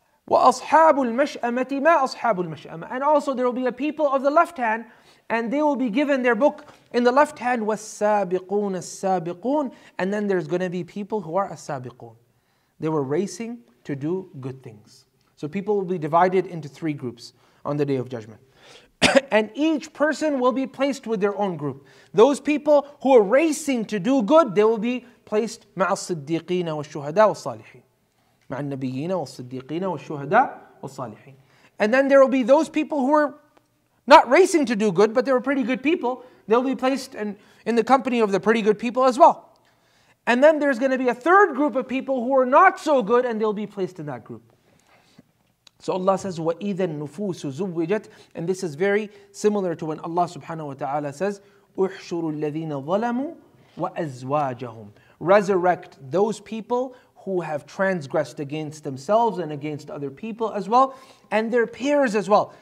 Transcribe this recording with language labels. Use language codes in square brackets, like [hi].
[ar] وَأَصْحَابُ الْمَشْأَمَةِ مَا أَصْحَابُ الْمَشْأَمَةِ [en] And also there will be a people of the left hand, and they will be given their book in the left hand, [ar] وَالسَّابِقُونَ السَّابِقُونَ [en] And then there's going to be people who are السَّابِقُونَ They were racing to do good things. So people will be divided into three groups on the Day of Judgment. And each person will be placed with their own group. Those people who are racing to do good, they will be placed [ar] مع الصديقين والشهداء والصالحين. مع النبيين والصديقين والشهداء والصالحين. [en] And then there will be those people who are not racing to do good, but they were pretty good people. They'll be placed in the company of the pretty good people as well. And then there's going to be a third group of people who are not so good, and they'll be placed in that group. So Allah says, [ar] وَإِذَا النُّفُوسُ زُوِّجَتْ [en] And this is very similar to when Allah subhanahu wa ta'ala says, [ar] أُحْشُرُ الَّذِينَ ظَلَمُوا وَأَزْوَاجَهُمْ [en] Resurrect those people who have transgressed against themselves and against other people as well, and their peers as well.